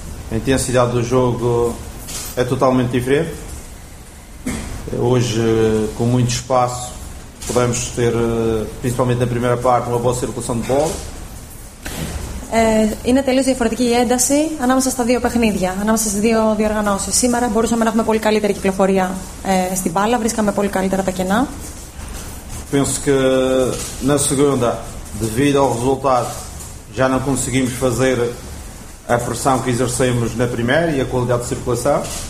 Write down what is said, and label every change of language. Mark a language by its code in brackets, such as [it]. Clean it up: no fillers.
[pt] A intensidade do jogo é totalmente diferente. Hoje, com muito espaço, podemos ter, principalmente na primeira parte, uma boa circulação de bola. [el] Είναι τελείως διαφορετική η ένταση ανάμεσα στα δύο παιχνίδια, ανάμεσα στις δύο διοργανώσεις. Σήμερα μπορούσαμε να έχουμε πολύ καλύτερη κυκλοφορία στην μπάλα, βρίσκαμε πολύ καλύτερα τα κενά. [pt] Penso que na segunda, devido ao resultado, já não conseguimos fazer a pressão que exercemos na primeira e a qualidade de circulação.